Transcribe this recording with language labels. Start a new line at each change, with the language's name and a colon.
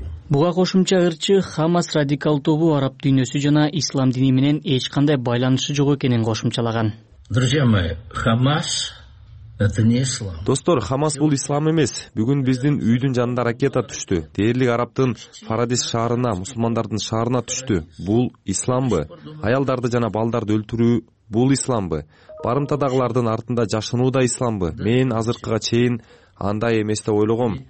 Kyrgyz: Буга кошумча ырчы Хамас радикал тобу араб дүйнөсү жана ислам дини менен эч кандай байланышы жок экенин кошумчалаган.
Russian: Друзья мои, Хамас это не ислам.
Kyrgyz: Достор, Хамас бул ислам эмес. Бүгүн биздин үйдүн жанында ракета түштү. Дээрлик арабтын Фарадис шаарына, мусулмандардын шаарына түштү. Бул исламбы? Аялдарды жана балдарды өлтүрүү бул исламбы? Барымтадагылардын артында жашынуу да исламбы? Мен азыркыга чейин андай эмес деп ойлогом.